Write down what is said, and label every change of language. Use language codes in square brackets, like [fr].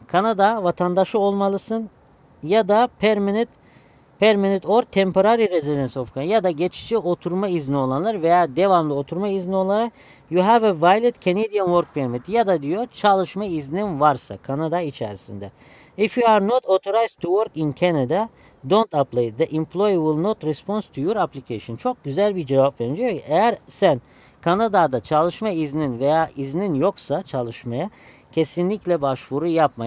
[tr] Kanada vatandaşı olmalısın ya da [en] permanent or temporary residence of Canada [tr] ya da geçici oturma izni olanlar veya devamlı oturma izni olanlar. [en] You have a valid Canadian work permit [tr] ya da diyor çalışma iznin varsa Kanada içerisinde. [en] If you are not authorized to work in Canada, don't apply. The employee will not respond to your application. [tr] Çok güzel bir cevap veriyor. Eğer sen Kanada'da çalışma iznin veya iznin yoksa çalışmaya kesinlikle başvuru yapma.